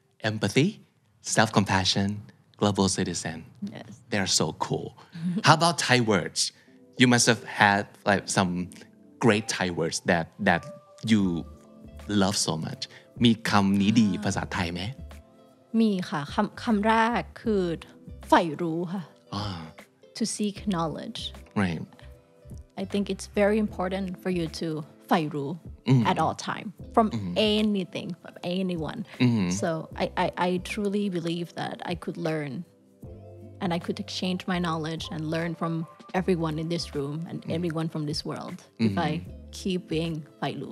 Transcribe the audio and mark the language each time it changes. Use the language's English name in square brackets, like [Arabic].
[English] Empathy, self-compassion, global citizen. Yes. They're so cool. How about Thai words? You must have had like some great Thai words that you love so much. [Thai] มีคำนี้ดีภาษาไทยไหม มีค่ะคำแรกคือใฝ่รู้ค่ะ [English] To seek knowledge. Right. I think it's very important for you to ใฝ่รู้at all time, from anything, from anyone. So I truly believe that I could learn and I could exchange my knowledge and learn from everyone in this room and everyone from this world if I keep being ไฟรู